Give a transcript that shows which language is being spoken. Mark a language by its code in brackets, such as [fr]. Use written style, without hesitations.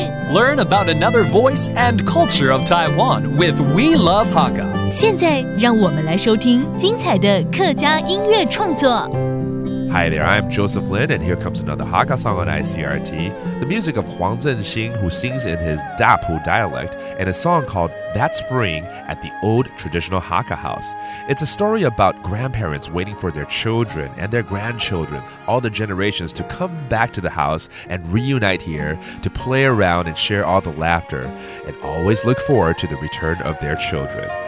[en] Learn about another voice and culture of Taiwan with We Love Hakka. [zh] 现在让我们来收听精彩的客家音乐创作。 [en] Hi there, I'm Joseph Lin, and here comes another Hakka song on ICRT. The music of Huang Chen-hsin, who sings in his Dapu dialect, and a song called That Spring at the Old Traditional Hakka House. It's a story about grandparents waiting for their children and their grandchildren, all the generations, to come back to the house and reunite here to play around and share all the laughter, and always look forward to the return of their children.